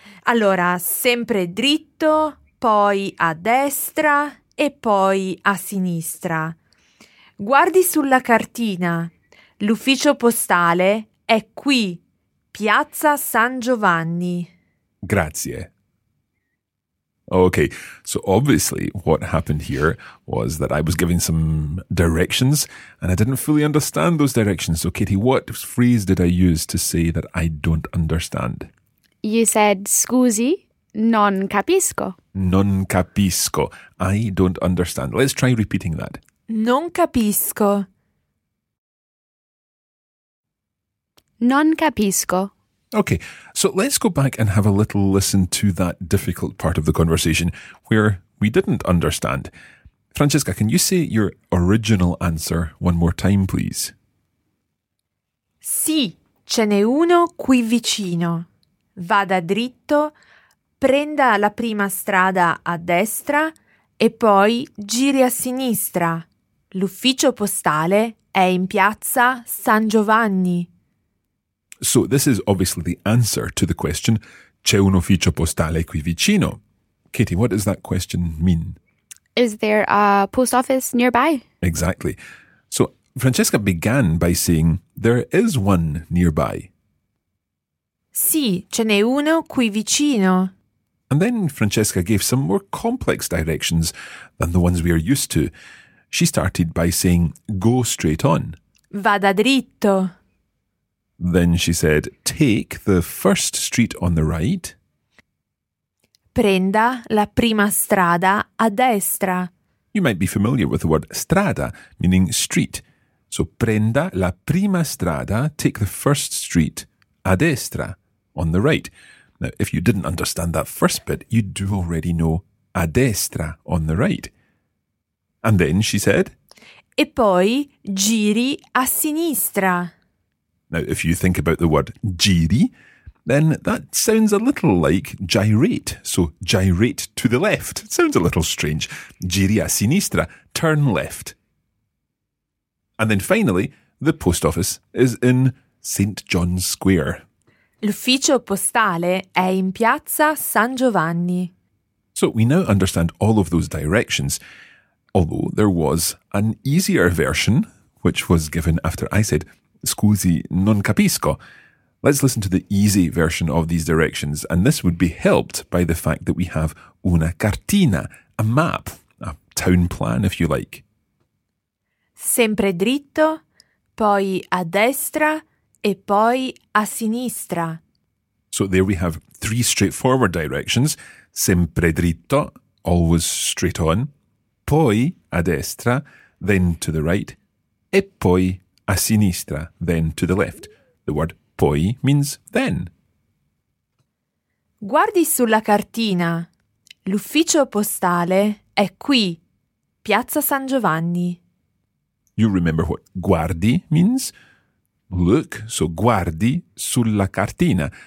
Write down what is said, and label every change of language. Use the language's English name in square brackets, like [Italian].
[Italian] Allora, sempre dritto, poi a destra e poi a sinistra. Guardi sulla cartina. L'ufficio postale è qui, piazza San Giovanni. Grazie. [English] Okay, so obviously what happened here was that I was giving some directions and I didn't fully understand those directions. So Katie, what phrase did I use to say that I don't understand? You said, [Italian] scusi, non capisco. Non capisco. [English] I don't understand. Let's try repeating that. [Italian] Non capisco. Non capisco. [English] Okay, so let's go back and have a little listen to that difficult part of the conversation where we didn't understand. Francesca, can you say your original answer one more time, please? [Italian] Sì, ce n'è uno qui vicino. Vada dritto, prenda la prima strada a destra e poi giri a sinistra. L'ufficio postale è in piazza San Giovanni. [English] So this is obviously the answer to the question, [Italian] c'è un ufficio postale qui vicino. [English] Katie, what does that question mean? Is there a post office nearby? Exactly. So Francesca began by saying, there is one nearby. [Italian] Sì, ce n'è uno qui vicino. [English] And then Francesca gave some more complex directions than the ones we are used to. She started by saying, go straight on. [Italian] Vada dritto. [English] Then she said, take the first street on the right. [Italian] Prenda la prima strada a destra. [English] You might be familiar with the word strada, meaning street. So [Italian] prenda la prima strada, [English] take the first street [Italian] a destra, [English] on the right. Now, if you didn't understand that first bit, you do already know [Italian] a destra, [English] on the right. And then she said, [Italian] e poi giri a sinistra. [English] Now, if you think about the word giri, then that sounds a little like gyrate. So, gyrate to the left. It sounds a little strange. [Italian] Giri a sinistra, [English] turn left. And then finally, the post office is in St. John's Square. L'ufficio postale è in piazza San Giovanni. So we now understand all of those directions. Although there was an easier version, which was given after I said, [Italian] scusi, non capisco. [English] Let's listen to the easy version of these directions. And this would be helped by the fact that we have una cartina, a map, a town plan, if you like. [Italian] Sempre dritto, poi a destra e poi a sinistra. [English] So there we have three straightforward directions. [Italian] Sempre dritto, [English] always straight on. [Italian] Poi a destra, [English] then to the right. [Italian] E poi a sinistra, [English] then to the left. The word poi means then. [Italian] Guardi sulla cartina. L'ufficio postale è qui, Piazza San Giovanni. [English] You remember what guardi means? Look, so [Italian] guardi sulla cartina.